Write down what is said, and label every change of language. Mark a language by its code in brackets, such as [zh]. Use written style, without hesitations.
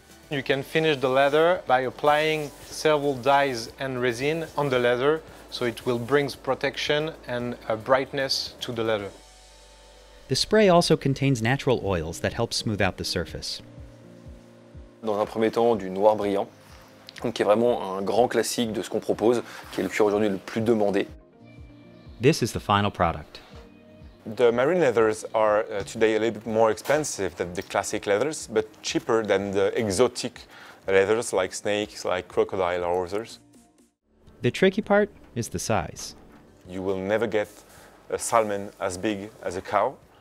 [en] You can finish the leather by applying several dyes and resin on the leather, so it will bring protection and a brightness to the leather. The spray also contains natural oils that help smooth out the surface. [fr] Dans un premier temps, du noir brillant, qui est vraiment un grand classique de ce qu'on propose, qui est le cuir aujourd'hui le plus demandé. [en] This is the final product. The marine leathers are today a little bit more expensive than the classic leathers, but cheaper than the exotic leathers like snakes, like crocodile or others. The tricky part is the size. You will never get a salmon as big as a cow.